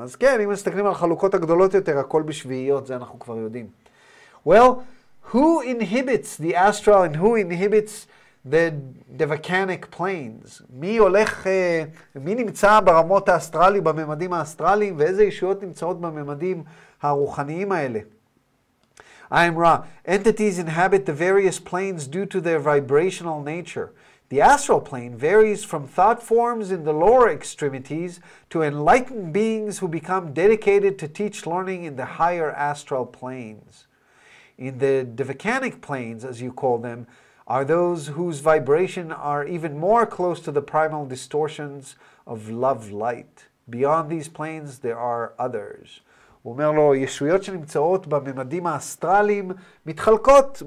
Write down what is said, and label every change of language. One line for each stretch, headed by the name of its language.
Hebrew: אז כן, אם מסתכלים על החלוקות הגדולות יותר, הכל בשביעיות, זה אנחנו כבר יודעים.
English: Well, who inhibits the astral and who inhibits the devachanic planes?
Hebrew: מי הולך, מי נמצא ברמות האסטרלי, בממדים האסטרליים, ואיזה ישויות נמצאות בממדים הרוחניים האלה?
English: I am Ra. Entities inhabit the various planes due to their vibrational nature. The astral plane varies from thought forms in the lower extremities to enlightened beings who become dedicated to teach learning in the higher astral planes. In the devachanic planes, as you call them, are those whose vibration are even more close to the primal distortions of love light. Beyond these planes, there are others.
Hebrew: הוא אומר לו, ישויות שנמצאות בממדים האסטרליים מתחלקות.